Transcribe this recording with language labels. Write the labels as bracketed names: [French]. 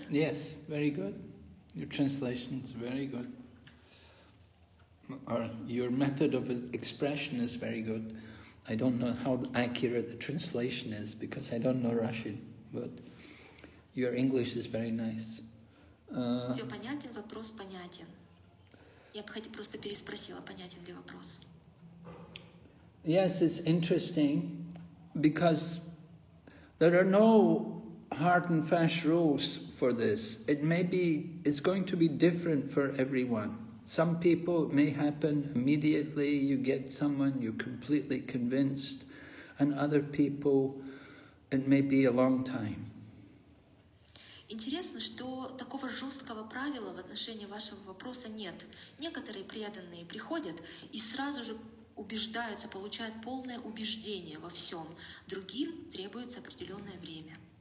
[English] Yes, very good. Your translation is very good. Or your method of expression is very good. I don't know how accurate the translation is because I don't know Russian, but your English is very nice. [Russian] Всё понятен, вопрос понятен. Я бы хотела просто переспросила, понятен ли вопрос. [English] Yes, it's interesting because there are no hard and fast rules for this. It's going to be different for everyone. Some people, it may happen immediately, you get someone, you're completely convinced, and other people, it may be a long time. [Russian] Интересно, что такого жесткого правила в отношении вашего вопроса нет. Некоторые преданные приходят и сразу же убеждаются, получают полное убеждение во всем. Другим требуется определенное время.